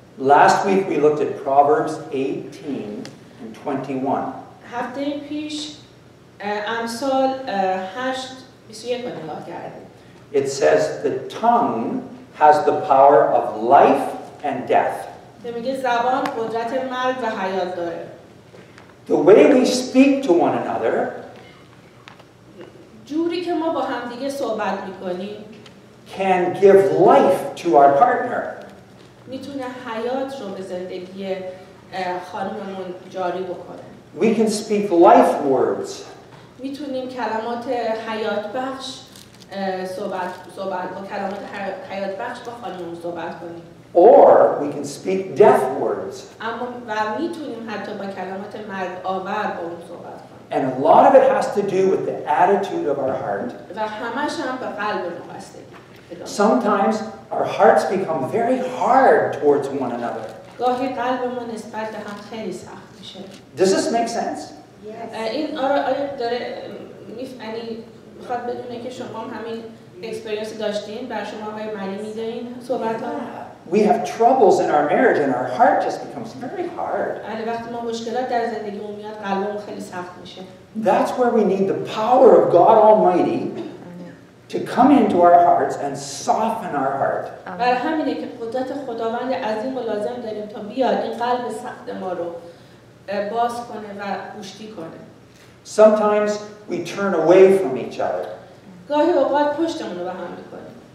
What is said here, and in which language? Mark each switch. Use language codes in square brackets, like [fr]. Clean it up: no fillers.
[en] Last week we looked at Proverbs 18 and 21. [fa] هفته پیش امسال 8 21 نگاه کردیم. [en] It says the tongue has the power of life and death. [fa] میگه زبان قدرت مرگ و حیات داره. [en] The way we speak to one another, [fa] جوری که ما با همدیگه صحبت میکنیم, [en] can give life to our partner. [fa] میتونه حیات رو به زندگی خانممون جاری بکنه. [en] We can speak life words. [fa] میتونیم کلمات حیات بخش صحبت با کلمات حیات بخش با خانممون صحبت کنیم. [en] Or we can speak death words. [fa] اما و میتونیم حتی با کلمات مرگ آور با اون صحبت کنیم. [en] And a lot of it has to do with the attitude of our heart. [fa] و همش هم به قلبمون بستگی داره. [en] Sometimes our hearts become very hard towards one another. [fa] گاهی قلبمون نسبت هم خیلی سخت میشه. [en] Does this make sense? Yes. [fa] این آره داره میفهمی میخواد بدونه که شما هم همین اکسپریانس داشتین بر شما های معنی میدین صحبت ها. [en] We have troubles in our marriage and our heart just becomes very hard. [fa] علی وقتی ما مشکلات در زندگیمون میاد قلبمون خیلی سخت میشه. [en] That's where we need the power of God Almighty to come into our hearts and soften our heart. [fa] برای همینه که قدرت خداوند عظیم و لازم داریم تا بیاد این قلب سخت ما رو باز کنه و گوشتی کنه. [en] Sometimes we turn away from each other. [fa] گاهی اوقات پشتمون رو به هم میکنیم.